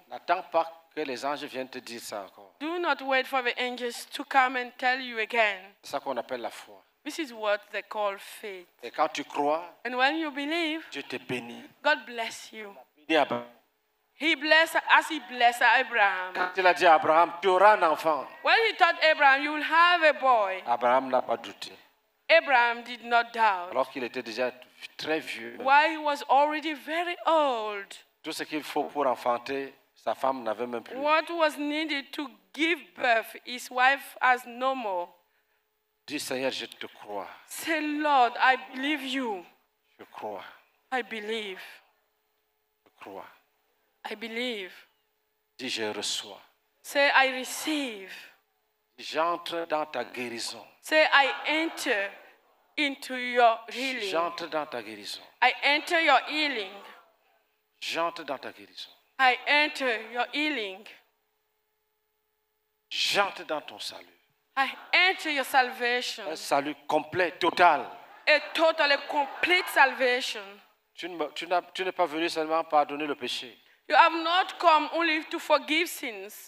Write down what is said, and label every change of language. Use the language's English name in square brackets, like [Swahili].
[French] N'attends pas que les anges viennent te dire ça encore. [English] Do not wait for the angels to come and tell you again. [French] C'est ça qu'on appelle la foi. [English] This is what they call faith. [French] Et quand tu crois, [English] and when you believe, [French] je te bénis. [English] God bless you. He blessed as he blessed Abraham. [French] Quand il a dit à Abraham, tu auras un enfant. [English] When he taught Abraham, you will have a boy. [French] Abraham n'a pas douté. [English] Abraham did not doubt. [French] Alors qu'il était déjà très vieux. [English] While he was already very old. [French] Tout ce qu'il faut pour enfanter, sa femme n'avait même plus. [English] What was needed to give birth, his wife has no more. [French] Dis Seigneur, je te crois. [English] Say Lord, I believe you. [French] Je crois. [English] I believe. [French] Je crois. [English] I believe. [French] Dis je reçois. [English] Say I receive. [French] J'entre dans ta guérison. [English] Say I enter into your healing. [French] J'entre dans ta guérison. [English] I enter your healing. [French] J'entre dans ta guérison. [English] I enter your healing. [French] J'entre dans ton salut. [English] I enter your salvation. [French] Un salut complet, total. [English] A total, a complete salvation. [French] Tu n'es pas venu seulement pardonner le péché. You have not come only to forgive sins.